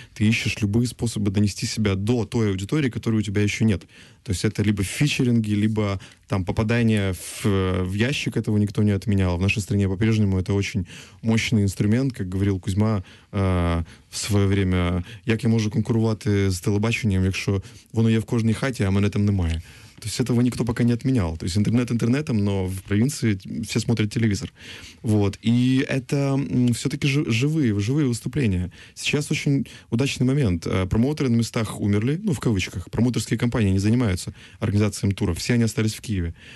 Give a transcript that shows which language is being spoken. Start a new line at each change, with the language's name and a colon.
Russian: Ты ищешь любые способы донести себя до той аудитории, которой у тебя еще нет. То есть это либо фичеринги, либо там попадание в ящик, этого никто не отменял. В нашей стране по-прежнему это очень мощный инструмент, как говорил Кузьма в свое время.
Ukrainian: Як я могу конкурувати з телебаченням, якщо воно є в кожній хаті, а мене там немає.
Russian: То есть этого никто пока не отменял. То есть интернет интернетом, но в провинции все смотрят телевизор. Вот. И это все-таки живые выступления. Сейчас очень удачный момент. Промоутеры на местах умерли, ну, в кавычках. Промоутерские компании не занимаются организацией туров. Все они остались в Киеве.